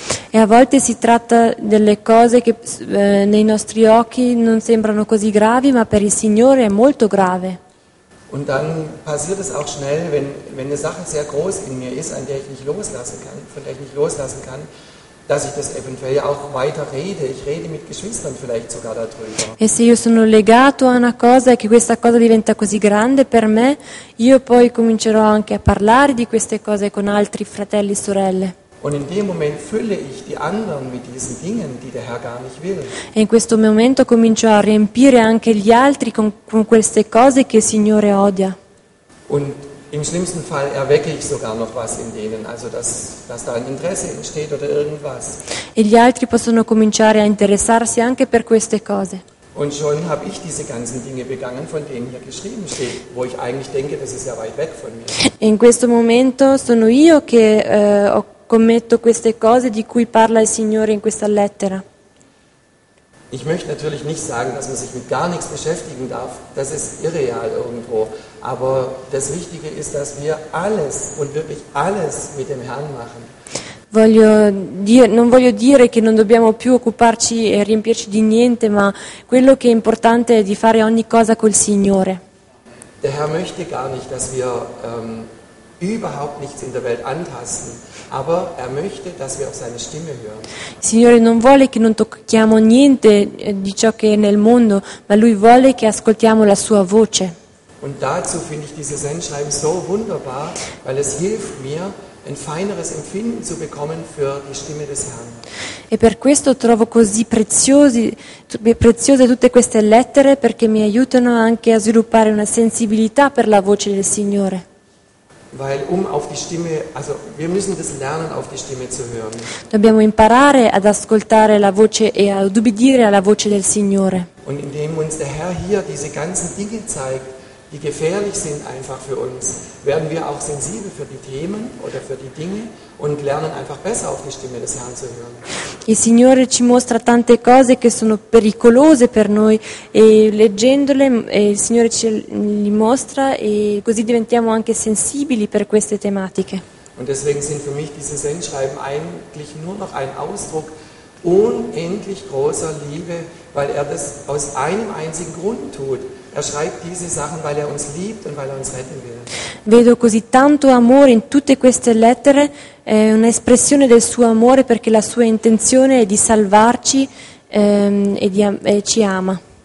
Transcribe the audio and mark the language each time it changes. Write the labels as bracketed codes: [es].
[it] E a volte si tratta delle cose che nei nostri occhi non sembrano così gravi, ma per il Signore è molto grave. [de] Und dann passiert es auch schnell, wenn eine Sache sehr groß in mir ist, an der ich nicht loslassen kann, von der ich nicht loslassen kann, dass ich das eventuell auch weiter rede. Ich rede mit Geschwistern vielleicht sogar darüber. [it] E se io sono legato a una cosa e che questa cosa diventa così grande per me, io poi comincerò anche a parlare di queste cose con altri fratelli e sorelle. [de] Und in dem Moment fülle ich die anderen mit diesen Dingen, die der Herr gar nicht will. [it] E in questo momento comincio a riempire anche gli altri con queste cose che il Signore odia. [de] Und im schlimmsten Fall erwecke ich sogar noch was in denen, also dass da ein Interesse entsteht oder irgendwas. [it] E gli altri possono cominciare a interessarsi anche per queste cose. [de] Und schon habe ich diese ganzen Dinge begangen, von denen hier geschrieben steht, wo ich eigentlich denke, das ist ja weit weg von mir. [it] In questo momento sono io che commetto queste cose di cui parla il Signore in questa lettera. [de] Ich möchte natürlich nicht sagen, dass man sich mit gar nichts beschäftigen darf. Das ist irreal irgendwo. Aber das Wichtige ist, dass wir alles und wirklich alles mit dem Herrn machen. [it] Non voglio dire che non dobbiamo più occuparci e riempirci di niente, ma quello che è importante è di fare ogni cosa col Signore. [de] Der Herr möchte gar nicht, dass wir überhaupt nichts in der Welt antasten, aber er möchte, dass wir auf seine Stimme hören. [it] Il Signore non vuole che non tocchiamo niente di ciò che è nel mondo, ma lui vuole che ascoltiamo la sua voce. [de] Und dazu finde ich dieses Sendschreiben so wunderbar, weil es hilft mir, ein feineres Empfinden zu bekommen für die Stimme des Herrn. [it] E per questo trovo così preziose tutte queste lettere, perché mi aiutano anche a sviluppare una sensibilità per la voce del Signore. [de] Weil auf die Stimme, also wir müssen das lernen, auf die Stimme zu hören. [it] Dobbiamo imparare ad ascoltare la voce e ad ubbidire alla voce del Signore. [de] Und indem uns der Herr hier diese ganzen Dinge zeigt, die gefährlich sind einfach für uns, werden wir auch sensibel für die Themen oder für die Dinge und lernen einfach besser auf die Stimme des Herrn zu hören. [it] Il Signore ci mostra tante cose che sono pericolose per noi e leggendole il Signore ce li mostra e così diventiamo anche sensibili per queste tematiche. [de] Und deswegen sind für mich diese Sendschreiben eigentlich nur noch ein Ausdruck unendlich großer Liebe, weil er das aus einem einzigen Grund tut. Er schreibt diese Sachen, weil uns liebt und weil uns retten will. [it] Vedo così tanto amore in tutte queste lettere, un'espressione del suo amore, perché la sua intenzione è di salvarci e ci ama.